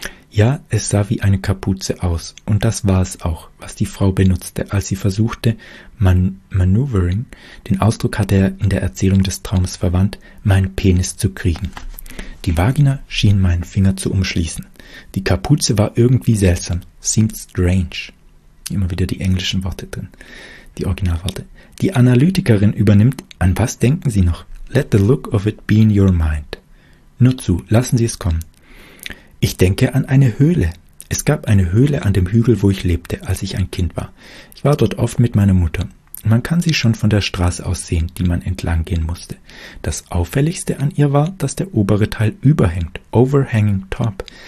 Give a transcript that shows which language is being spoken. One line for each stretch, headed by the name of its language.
German: Ja, es sah wie eine Kapuze aus. Und das war es auch, was die Frau benutzte, als sie versuchte, Maneuvering, den Ausdruck hatte er in der Erzählung des Traumes verwandt, meinen Penis zu kriegen. Die Vagina schien meinen Finger zu umschließen. Die Kapuze war irgendwie seltsam, seemed strange. Immer wieder die englischen Worte drin, die Originalworte. Die Analytikerin übernimmt, an was denken Sie noch?
English: Let the look of it be in your mind.
German: Nur zu, lassen Sie es kommen. Ich denke an eine Höhle. Es gab eine Höhle an dem Hügel, wo ich lebte, als ich ein Kind war. Ich war dort oft mit meiner Mutter. Man kann sie schon von der Straße aus sehen, die man entlang gehen musste. Das Auffälligste an ihr war, dass der obere Teil überhängt, overhanging top.